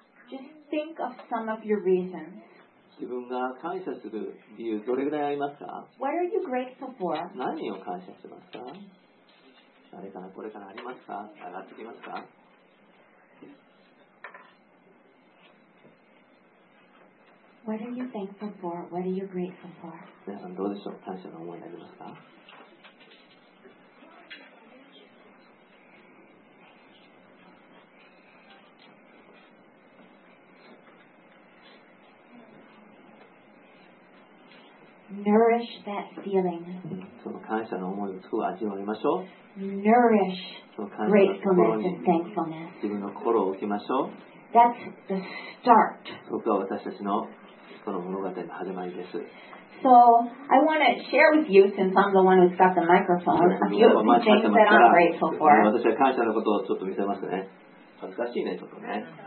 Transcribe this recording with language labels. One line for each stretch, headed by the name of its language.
English: Just think of some of your reasons.
Japanese: 自分が感謝する理由どれぐらいありますか？
English: What are you grateful for?
Japanese: 何を感謝してますか？あれかな、これかな、ありますか？上がってきますか？
English: What are you thankful for? What are you grateful for?
Japanese: 皆さんどうでしょう、感謝の思いありますか？
English: Nourish that feeling.
Japanese: その感謝の思いをつく味わいましょう。
English: Nourish gratefulness and thankfulness.
Japanese: 自分の心を置きましょう。
English: That's the start.
Japanese: そこが私たちのこの物語の始まりです。
English: So I want to share with you, since I'm the one who's got the microphone, a few things that I'm grateful for.
Japanese: 私は感謝のことをちょっと見せますね。恥ずかしいね、ちょっとね。